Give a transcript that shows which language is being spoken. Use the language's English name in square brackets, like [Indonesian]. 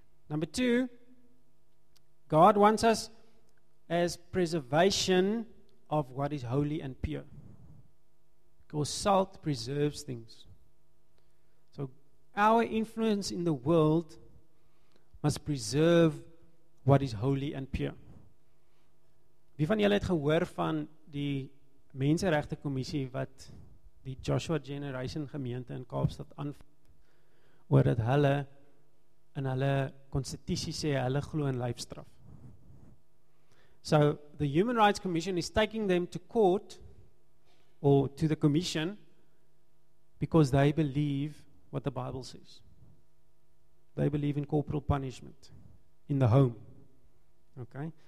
[English] Number two, God wants us as preservation of what is holy and pure. Because salt preserves things. So our influence in the world must preserve what is holy and pure. [Afrikaans] Wie van julle het gehoor van die menseregte kommissie wat die Joshua Generation gemeente in Kaapstad aanvoer oor dat hulle in hulle konstitusie sê hulle glo in lyfstraf? [English] So the Human Rights Commission is taking them to court or to the commission because they believe what the Bible says. They believe in corporal punishment in the home. Okay?